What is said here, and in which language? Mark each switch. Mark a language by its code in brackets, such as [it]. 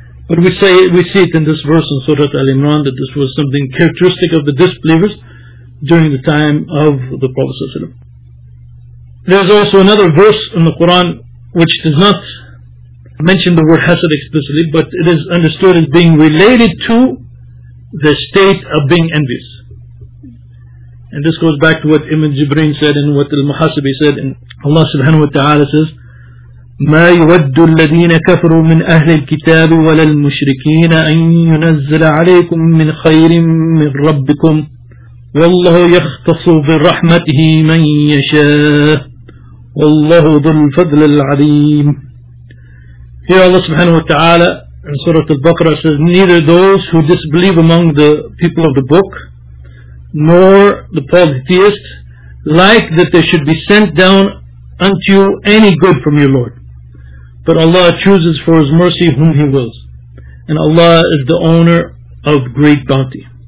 [en] But we see it in this verse in Surah Al-Imran, that this was something characteristic of the disbelievers during the time of the Prophet ﷺ. There's also another verse in the Quran which does not mention the word hasad explicitly, but it is understood as being related to the state of being envious. And this goes back to what Ibn Jibreen said and what Al-Muhasibi said, and Allah subhanahu wa ta'ala says, [ar] مَا يُوَدُّ الَّذِينَ كَفْرُوا مِنْ أَهْلِ الْكِتَابِ وَلَا الْمُشْرِكِينَ أَنْ يُنَزَّلَ عَلَيْكُمْ مِنْ خَيْرٍ مِنْ رَبِّكُمْ وَاللَّهُ يَخْتَصُ بِرَحْمَتِهِ مَنْ يَشَاءُ وَاللَّهُ ذُو الْفَضْلِ الْعَظِيمِ. [en] Here Allah subhanahu wa ta'ala in Surah Al-Baqarah says, neither those who disbelieve among the people of the book nor the polytheist like that they should be sent down unto you any good from your Lord. But Allah chooses for His mercy whom He wills. And Allah is the owner of great bounty.